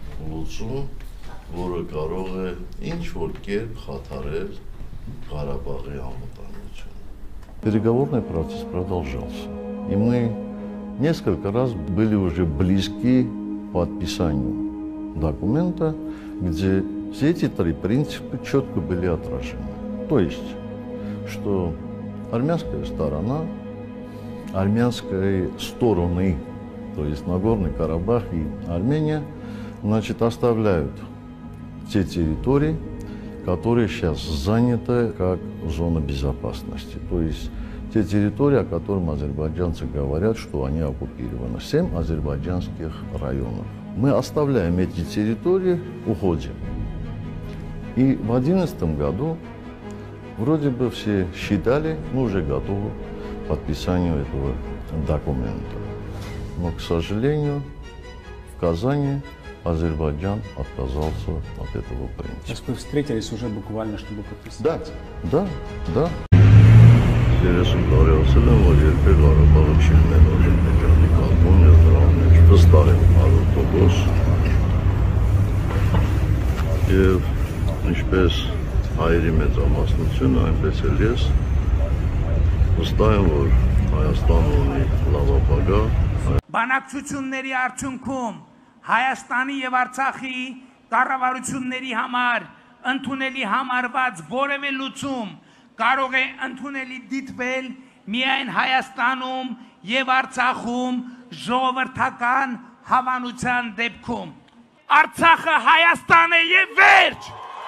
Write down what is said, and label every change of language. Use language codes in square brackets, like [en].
[hy] լուծում, որը կարող է ինչ-որ կերպ խաթարել Ղարաբաղի անվտանգությունը։ [ru] Переговорный процесс продолжался, и мы несколько раз были уже близки к подписанию документа, где все эти три принципа четко были отражены. То есть, что армянские стороны, то есть Нагорный Карабах и Армения, значит, оставляют те территории, которые сейчас заняты как зона безопасности. То есть те территории, о которых азербайджанцы говорят, что они оккупированы. 7 азербайджанских районов. Мы оставляем эти территории, уходим. И в 2011 году вроде бы все считали, мы уже готовы к подписанию этого документа. Но, к сожалению, в Казани Азербайджан отказался от этого принципа. Вы встретились уже буквально, чтобы подписать? Да, да, да. Интересно, говорил Селем, вот я пригорал получение на Азербайджане, как он не здравый, что ставил пару автобус. И, ничпес, [hy] Հայերի մեծամասնությունը, այնպես էլ ես, վստահ եմ, որ Հայաստանը ունի լավ ապագա։ Բանակցությունների արդյունքում Հայաստանի և Արցախի կառավարությունների համար ընդունելի համարված որևէ լուծում կարող է ընդունելի դիտվել միայն Հայաստանում և Արցախում ժողովրդական հավանության դեպքում։ Արցախը Հայաստան է և վերջ!